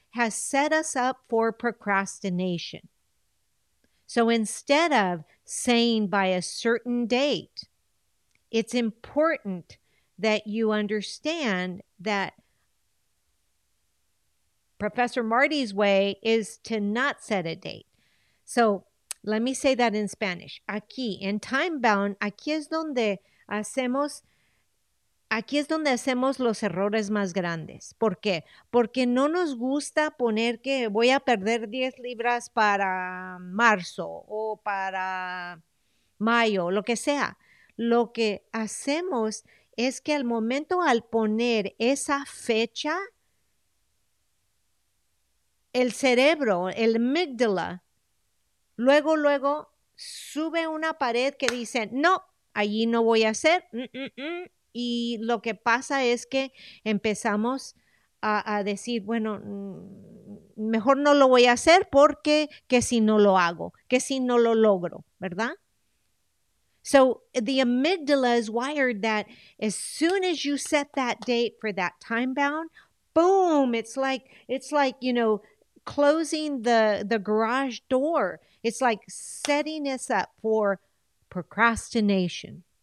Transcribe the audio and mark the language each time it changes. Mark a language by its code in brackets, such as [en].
[en] has set us up for procrastination. So instead of saying by a certain date, it's important that you understand that Professor Marty's way is to not set a date. So let me say that in Spanish. [es] Aquí, en time bound, aquí es donde hacemos los errores más grandes. ¿Por qué? Porque no nos gusta poner que voy a perder 10 libras para marzo o para mayo, lo que sea. Lo que hacemos es que al momento al poner esa fecha, el cerebro, el amígdala, luego sube una pared que dice, no, allí no voy a hacer. Y lo que pasa es que empezamos a decir, bueno, mejor no lo voy a hacer porque que si no lo hago, que si no lo logro, ¿verdad? [en] So the amygdala is wired that as soon as you set that date for that time bound, boom, it's like, you know, closing the garage door. It's like setting us up for procrastination.